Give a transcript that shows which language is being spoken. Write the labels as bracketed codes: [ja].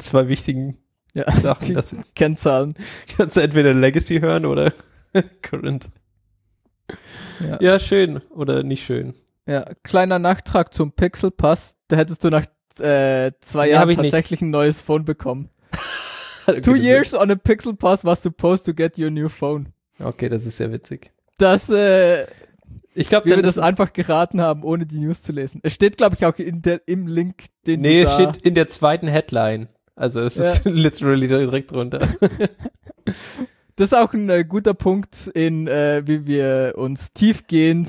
[de] Zwei wichtigen Sachen. Die Kennzahlen. Kannst du entweder Legacy hören oder Current. Ja, schön. Oder nicht schön. Ja, kleiner Nachtrag zum Pixel Pass. Da hättest du nach 2 Jahren tatsächlich ein neues Phone bekommen. [en] 2 years on a Pixel Pass was supposed to get your new phone. [de] Okay, das ist sehr witzig. Ich glaube, wir das einfach geraten haben, ohne die News zu lesen. Es steht, glaube ich, auch im Link, es steht in der zweiten Headline. Also es ist literally direkt drunter. Das ist auch ein guter Punkt, wie wir uns tiefgehend